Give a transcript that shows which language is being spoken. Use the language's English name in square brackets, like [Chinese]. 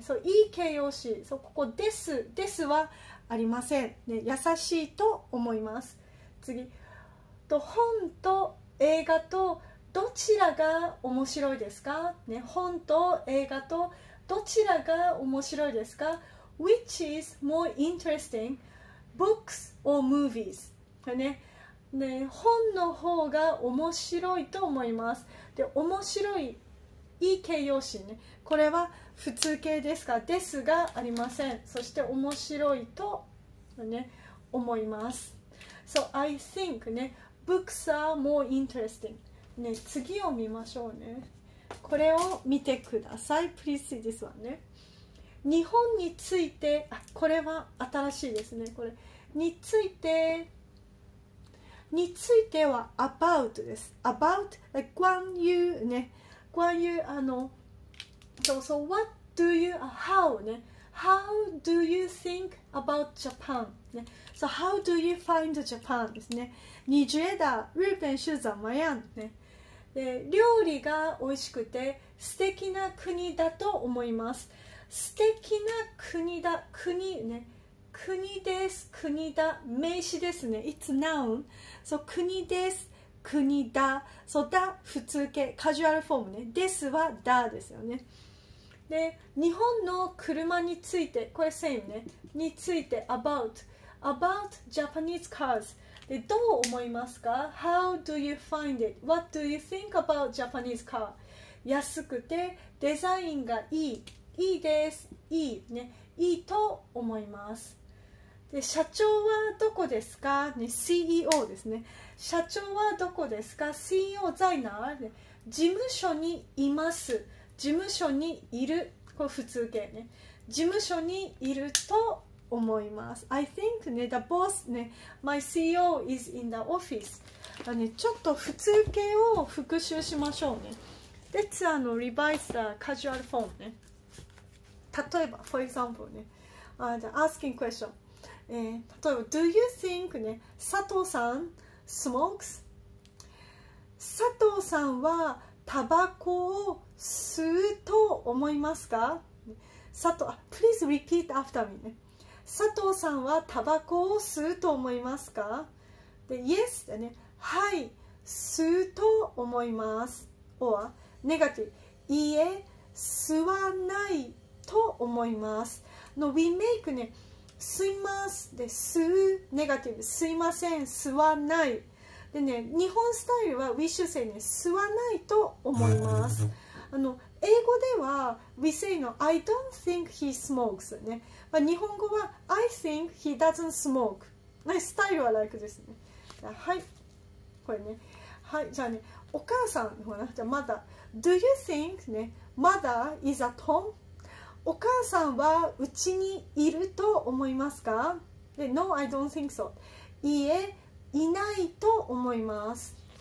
[Japanese] そういい形容詞。そうここです。ですはありません、ね。優しいと思います。次。と本と映画とどちらが面白いですか、ね、本と映画とどちらが面白いですか。 [English] Which is more interesting? Books or movies?、 [Japanese] ねね、本の方が面白いと思います。で面白い、いい形容詞、ね、これは普通形ですか、ですがありません。そして面白いと、ね、思います。 [English] So I think、ね、Books are more interestingね、 [Japanese] 次を見ましょうね。これを見てください。 [English] Please see this one [Japanese] ね。日本について、あ、これは新しいですね。これについて、についてはaboutです。 [English] About、like、 [Chinese] 关于 [English] ね、关于 [Japanese] そうそう、 [English] What do you, how ね、How do you think about Japan? ね、so how do you find Japan [Japanese] ですね。 [Chinese] 你觉得日本是怎么样ね。 [Japanese] で料理が美味しくて素敵な国だと思います。素敵な国だ、国ね、国です、国だ、名詞ですね、 [English] It's noun、 [Japanese] so、国です、国だ、so、だ普通形カジュアルフォームね、ですはだですよね。で日本の車について、これ same ね、について about、 [English] about Japanese cars [Japanese] でどう思いますか? [English] How do you find it? What do you think about Japanese car? [Japanese] 安くてデザインがいい。いいです。いい。ね、いいと思います。で社長はどこですか、ね、?CEO ですね。社長はどこですか ? [Chinese] CEO 在哪?、 [Japanese] ね、事務所にいます。事務所にいる。これ普通形ね。事務所にいると思います。 [English] I think ね、the boss ね、my CEO is in the office。 [Japanese] だね、ちょっと普通形を復習しましょうね。 [English] Let's revise the casual form ね。 [Japanese] 例えば、 [English] for example ね、asking question、例えば、Do you think ね、佐藤さん smokes? [Japanese] 佐藤さんはタバコを吸うと思いますか？ [English] 佐藤、please repeat after me ね。 [Japanese] 佐藤さんはタバコを吸うと思いますか？で、Yes だね。はい、吸うと思います。 Or、ネガティブ。いいえ、吸わないと思います。の、We make ね、吸います。で、吸う、ネガティブ。吸いません、吸わない。でね、日本スタイルは、 [English] We should say [Japanese] ね、吸わないと思います。英語では、 [English] We say の、I don't think he smokes ね。 [Japanese] 日本語は [English] I think he doesn't smoke. My style は like ですね。 [Japanese] はい。これね。はい。じゃあね、お母さんの方な。 [English] じゃあ、mother。Do you think ね、mother is at home? [Japanese] お母さんはうちにいると思いますか？ [English] で、No, I don't think so. [Japanese] いいえ、いないと思います。